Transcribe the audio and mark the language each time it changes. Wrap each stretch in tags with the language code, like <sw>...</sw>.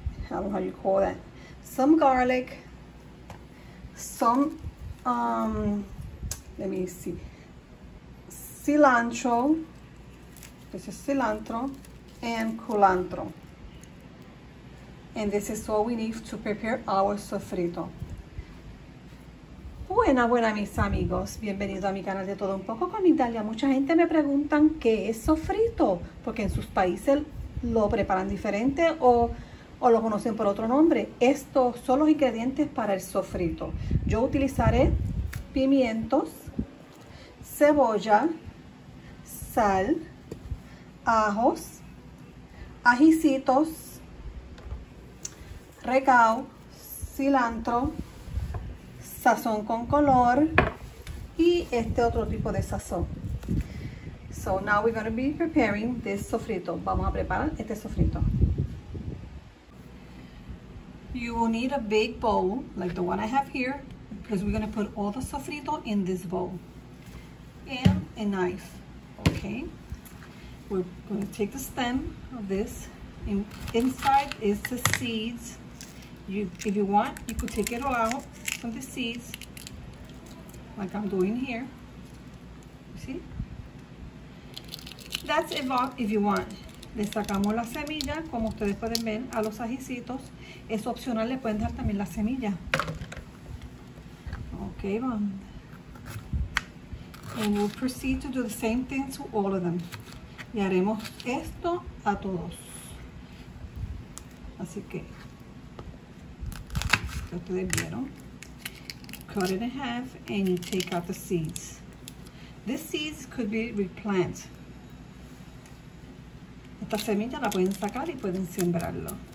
<en>I don't know how you call that. Some garlic, some let me see, cilantro, this is cilantro, and culantro. And this is all we need to prepare our sofrito.</en> <es>Buena, buena, mis amigos. Bienvenido a mi canal de todo un poco con Italia. Mucha gente me preguntan qué es sofrito, porque en sus países lo preparan diferente o lo conocen por otro nombre. Estos son los ingredientes para el sofrito. Yo utilizaré pimientos, cebolla, sal, ajos, ajicitos, recao, cilantro, sazón con color, y este otro tipo de sazón.</es> <en>So now we're going to be preparing this sofrito.</en> <es>Vamos a preparar este sofrito.</es> <en>You will need a big bowl, like the one I have here, because we're going to put all the sofrito in this bowl. And a knife, okay? We're going to take the stem of this. Inside is the seeds. If you want, you could take it all out from the seeds, like I'm doing here. See? That's it, if you want.</en> <es>Le sacamos la semilla, como ustedes pueden ver, a los ajicitos. Es opcional, le pueden dar también la semilla.</es> <en>Okay, bon. And we'll proceed to do the same thing to all of them.</en> <es>Y haremos esto a todos. Así que, ya ustedes vieron.</es> <en>Cut it in half and you take out the seeds. These seeds could be replanted.</en> <es>Esta semilla la pueden sacar y pueden sembrarlo.</es>